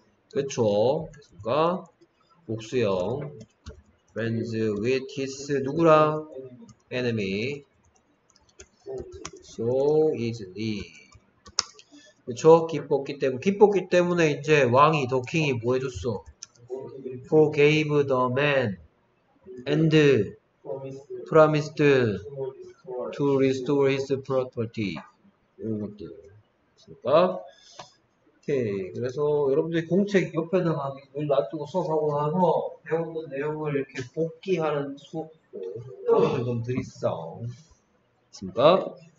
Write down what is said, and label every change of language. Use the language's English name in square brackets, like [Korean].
[Korean] 그렇죠. 됐습니까? 복수형. [English] Friends with his [Korean] 누구랑? [English] Enemy. So easily. 그쵸? [Korean] 기뻤기 때문에, 이제 왕이, 더 킹이 뭐 해줬어? [English] Forgave the man and promised to restore his property. [Korean] 이런 것들. 됐습니까? 오케이. 그래서 여러분들이 공책 옆에다가 늘 놔두고 수업하고 나서 배웠던 내용을 이렇게 복기하는 수업도 조금 드리싸. 됐습니까?